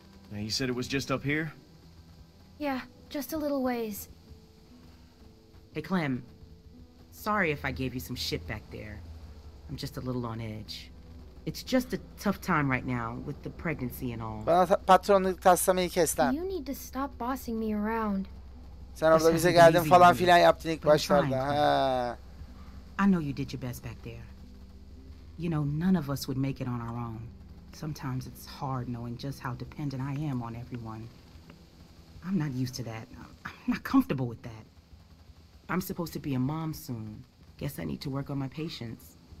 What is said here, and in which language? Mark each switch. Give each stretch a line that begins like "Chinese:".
English: Now you said it was just up here? Yeah, just a little ways. Hey, Clem. Sorry if I gave you some shit back there. I'm just a little on edge. It's just a tough time right now with the pregnancy and all.
Turkish: Bana patronluk taslamayı kes lan.
English: You need to stop bossing me around.
Turkish: Sen orada bize geldin falan filan yaptın ilk başlarda.
English: I know you did your best back there. You know, none of us would make it on our own. Sometimes it's hard knowing just how dependent I am on everyone. I'm not used to that. I'm not comfortable with that. I'm supposed to be a mom soon. Guess I need to work on my patience.